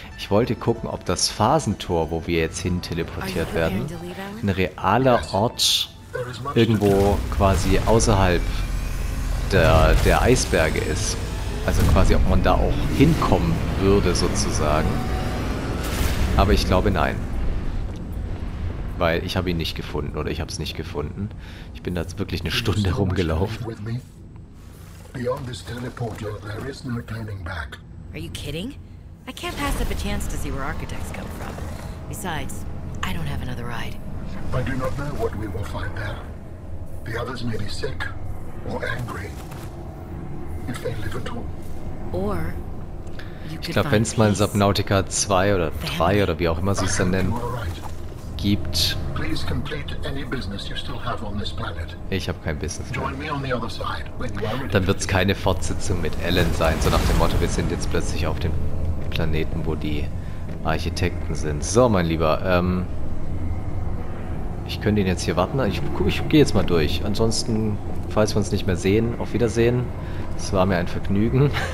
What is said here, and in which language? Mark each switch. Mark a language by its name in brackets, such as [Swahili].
[German] Ich wollte gucken, ob das Phasentor, wo wir jetzt hin teleportiert werden, ein realer Ort irgendwo quasi außerhalb der Eisberge ist. Also quasi, ob man da auch hinkommen würde sozusagen. Aber ich glaube nein. Weil ich habe ihn nicht gefunden oder ich habe es nicht gefunden. Ich bin da wirklich eine Stunde rumgelaufen. [English] Beyond this teleporter, there is no turning back. Are you kidding? I can't pass up a chance to see where architects come from. Besides, I don't have another ride. I do not know what we will find there. The others may be sick or angry. If they live at all. [German] Or ich glaube, wenn es mal Subnautica 2 oder 3 oder wie auch immer sie es dann nennen, gibt. [English] Please complete any business you still have on this planet. [German] Ich habe kein Business. [English] Join me on the other side. [German] Dann wird es keine Fortsetzung mit Alan sein, so nach dem Motto, wir sind jetzt plötzlich auf dem Planeten, wo die Architekten sind. So, mein Lieber, ich könnte ihn jetzt hier warten. Ich gehe jetzt mal durch. Ansonsten, falls wir uns nicht mehr sehen, auf Wiedersehen. Es war mir ein Vergnügen.